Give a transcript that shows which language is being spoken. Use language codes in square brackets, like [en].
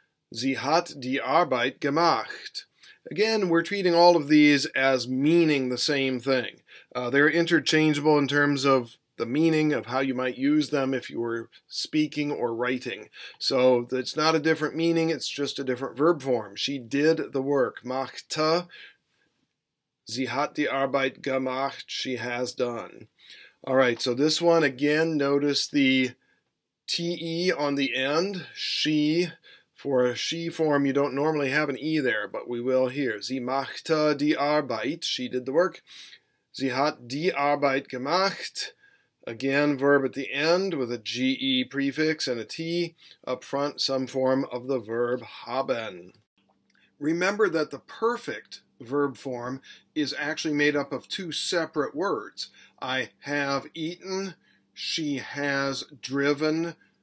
[de] Sie hat die Arbeit gemacht. [en] Again, we're treating all of these as meaning the same thing. They're interchangeable in terms of the meaning of how you might use them if you were speaking or writing. So it's not a different meaning, it's just a different verb form. She did the work. [de] Machte. Sie hat die Arbeit gemacht. [en] She has done. All right, so this one, again, notice the TE on the end. She. For a she form, you don't normally have an E there, but we will here. [de] Sie machte die Arbeit. [en] She did the work. [de] Sie hat die Arbeit gemacht. [en] Again, verb at the end with a GE prefix and a T. Up front, some form of the verb haben. Remember that the perfect verb form is actually made up of two separate words. I have eaten. She has driven.